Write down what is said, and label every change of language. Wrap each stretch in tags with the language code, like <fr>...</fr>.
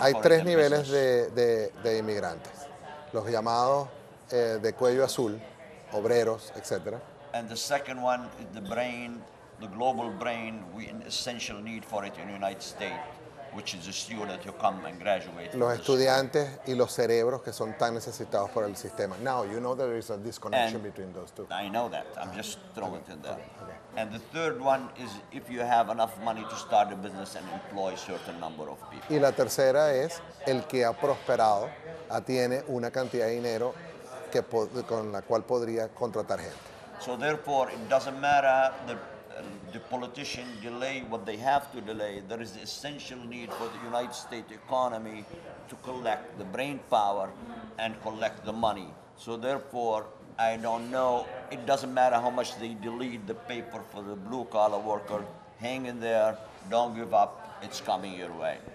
<es>Hay 3 niveles de inmigrantes. Los llamados de cuello azul, obreros, etc.</es> <en>And the second one is the brain, the global brain, we an essential need for it in the United States. Which is a student who come and graduate.</en> <es>Los estudiantes y los cerebros que son tan necesitados por el sistema.</es> <en>Now, you know there is a disconnection between those two. I know that. I'm just throwing it in there. Okay. And the third one is if you have enough money to start a business and employ a certain number of people.</en> <es>Y la tercera es el que ha prosperado, tiene una cantidad de dinero que con la cual podría contratar gente.</es> <en>So therefore, it doesn't matter the politician delay what they have to delay. There is the essential need for the United States economy to collect the brain power and collect the money. So therefore, I don't know, it doesn't matter how much they delete the paper for the blue collar worker, hang in there, don't give up, it's coming your way.</en>